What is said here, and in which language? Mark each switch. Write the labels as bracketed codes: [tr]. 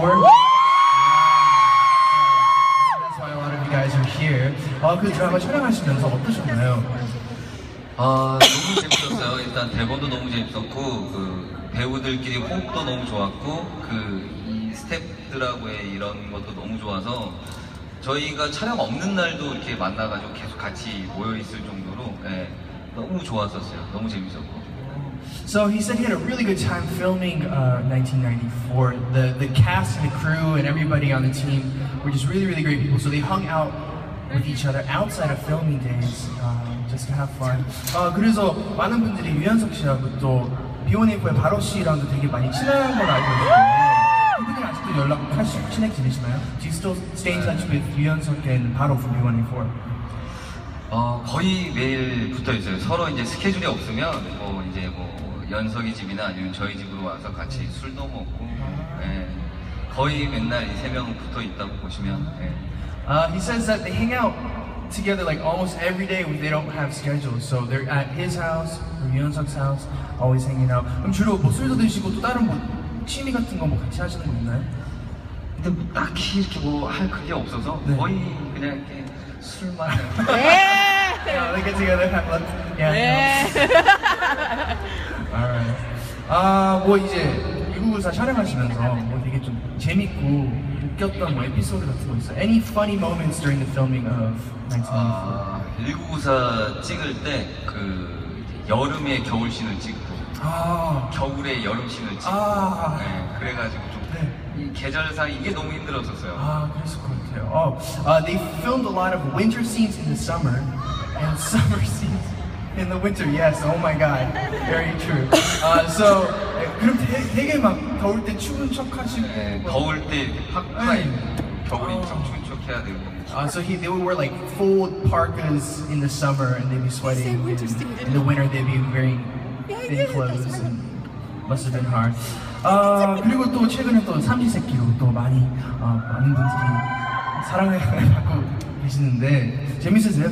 [en] That's why a lot of you guys are here. [ko] 그 드라마 촬영하시면서 어떠셨나요? 너무 재밌었어요. 일단 대본도 너무 재밌었고 그 배우들끼리 호흡도 너무 좋았고 그 스태프들하고의 이런 것도 너무 좋아서 저희가 촬영 없는 날도 이렇게 만나가지고 계속 같이 모여 있을 정도로 예, 너무 좋았었어요. 너무 재밌었고. [en] So he said he had a really good time filming 1994. The cast and the crew and everybody on the team were just really really great people. So they hung out with each other outside of filming days just to have fun. [ko] 그래서 많은 분들이 유연석 씨하고 또 B1A4의 바로 씨랑도 되게 많이 친한 걸 알고 있어요. 연락하시고 친해 지내시나요? [en] Do you still stay in touch with 유연석 and 바로 from B1A4? [ko] 거의 매일 붙어 있어요. 서로 이제 스케줄이 없으면 뭐 이제 뭐 연석이 집이나 아니면 저희 집으로 와서 같이 술도 먹고 예, 거의 맨날 이 세 명은 붙어 있다고 보시면 예. [en] He says that they hang out together like almost every day when they don't have schedules. So they're at his house, from 유연석's house, always hanging out. [ko] 그럼 주로 뭐 술도 드시고 또 다른 뭐 취미 같은 거 뭐 같이 하시는 거 있나요? 근데 딱히 이렇게 뭐 할 그게 없어서 네. 거의 그냥 이렇게 술만. [en] 네. Let's get together. Let's. Yeah. 네. [ko] Alright. 아 뭐 이제 미국에서 촬영하시면서 뭐 되게 좀 재밌고 웃겼던 뭐 에피소드 같은 거 있어? [en] Any funny moments during the filming of 1994? [ko] 아, 1994 찍을 때 그 여름에 겨울 씬을 찍고 아. 겨울에 여름 씬을 찍고 아. 네, 그래가지고 좀 네. 이 계절상 이게 너무 힘들었었어요. 아 그랬을 것 같아요. [en] They filmed a lot of winter scenes in the summer and summer scenes in the winter. Yes, oh my god, very true. [ko] So 그럼 되게 막 더울 때 추운 척 하시고 네, 더울 때 팍팍 네. 겨울인 척 추운 척 해야 되고 [en] So they would wear like full parkas in the summer and they'd be sweating. Same, and in the winter they'd be wearing thin clothes and must have been hard. [ko] 그리고 또 최근에 또 삼시세끼로 또 많이 많은 분들이 사랑을 받고 계시는데 재밌으세요?